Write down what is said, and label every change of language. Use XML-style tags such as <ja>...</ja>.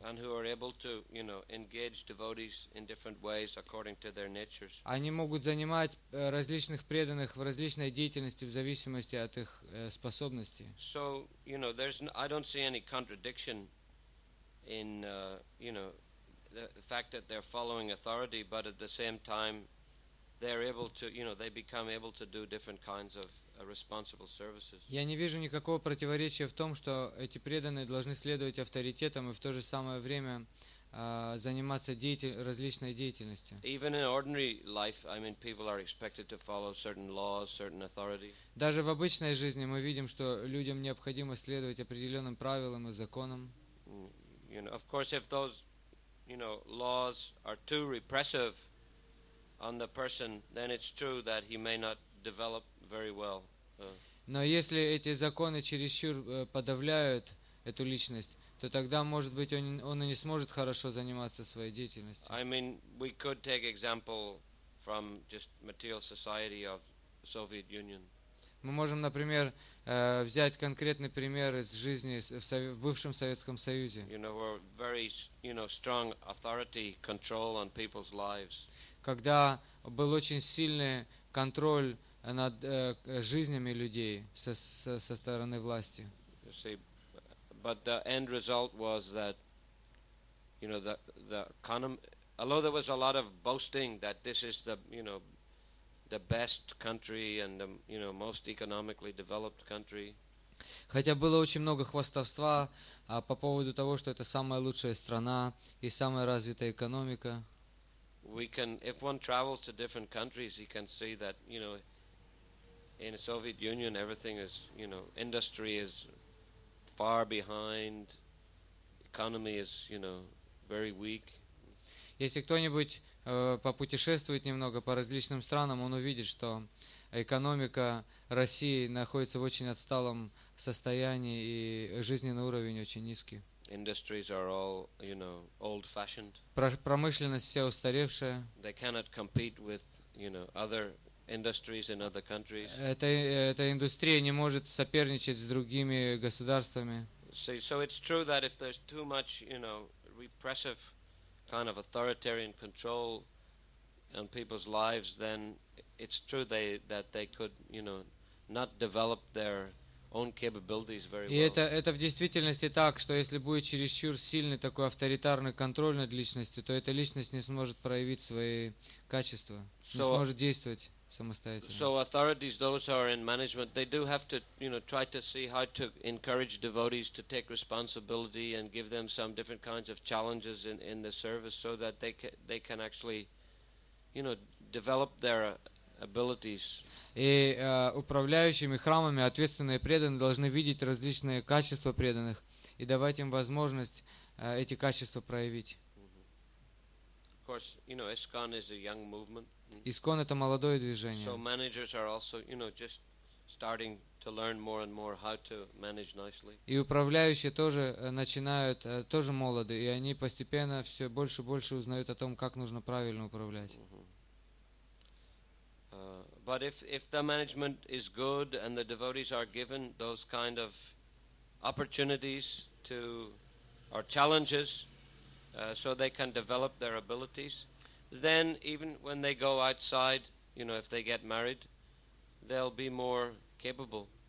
<en>And who are able to, you know, engage devotees in different ways according to their natures.</en> <ru>Они могут занимать различных преданных в различной деятельности в зависимости от их способностей.</ru> <en>So, you know, there's I don't see any contradiction in, you know, the fact that they're following authority, but at the same time they're able to, you know, they become able to do different kinds of responsible services.</en> <ru>Я не вижу никакого противоречия в том, что эти преданные должны следовать авторитетам и в то же самое время заниматься различной деятельностью.</ru> <en>Even in ordinary life, I mean, people are expected to follow certain laws, certain authority.</en> <ru>Даже в обычной жизни мы видим, что людям необходимо следовать определенным правилам и законам.</ru> <en>You know, of course, if those, you know, laws are too repressive on the person, then it's true that he may not develop very well.</en> <ru>Но если эти законы чересчур подавляют эту личность, то тогда, может быть, он и не сможет хорошо заниматься своей деятельностью.</ru> <en>I mean, we could take example from just material society of Soviet Union.</en> <ru>Мы можем, например, взять конкретный пример из жизни в бывшем Советском Союзе.</ru> <en>You know, where very, you know, strong authority control on people's lives.</en> <ru>Когда был очень сильный контроль над жизнями людей со стороны власти.</ru> <en>You see, but the end result was that, you know, the economy, although there was a lot of boasting that this is the, you know, the best country and the, you know, most economically developed country.</en> <ru>Хотя было очень много хвастовства по поводу того, что это самая лучшая страна и самая развитая экономика.</ru> <en>We can, if one travels to different countries, he can see that, you know, in the Soviet Union, everything is, you know, industry is far behind, economy is, you know, very weak.</en> <ru>Если кто-нибудь попутешествует немного по различным странам, он увидит, что экономика России находится в очень отсталом состоянии и жизненный уровень очень низкий.</ru> <en>Industries are all, you know, old fashioned.</en> <ru>Промышленность вся устаревшая.</ru> <en>They cannot compete with, you know, other industries in other countries.</en> <ru>Эта индустрия не может соперничать с другими государствами.</ru> <en>So it's true that if there's too much, you know, repressive kind of authoritarian control on people's lives, then it's true that they could, you know, not develop their own capabilities very well.</en> <ru>И это в действительности так, что если будет чересчур сильный такой авторитарный контроль над личностью, то эта личность не сможет проявить свои качества, не сможет действовать самостоятельно.</ru> <en>So authorities, those who are in management, they do have to, you know, try to see how to encourage devotees to take responsibility and give them some different kinds of challenges in the service so that they can actually, you know, develop their abilities.</en> <ru>И управляющими храмами ответственные преданные должны видеть различные качества преданных и давать им возможность эти качества проявить.</ru> <en>Of course, you know, ISKCON is a young movement.</en> <ru>ISKCON это молодое движение.</ru> <en>So managers are also, you know, just starting to learn more and more how to manage nicely.</en> <ru>И управляющие тоже начинают, тоже молоды, и они постепенно все больше и больше узнают о том, как нужно правильно управлять.</ru> <en>But if the management is good and the devotees are given those kind of opportunities to or challenges so they can develop their abilities, then even when they go outside, you know, if they get married, they'll be more capable.</en>